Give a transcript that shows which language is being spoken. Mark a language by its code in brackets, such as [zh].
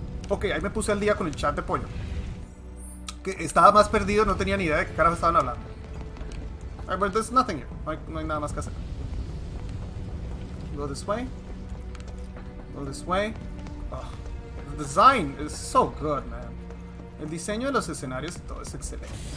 [es] Ok, ahí me puse al día con el chat de pollo. Que estaba más perdido, no tenía ni idea de qué carajo estaban hablando. [en] Alright, but there's nothing here. [es] No hay nada más que hacer. [en] Go this way. Oh, the design is so good, man. [es] El diseño de los escenarios y todo es excelente.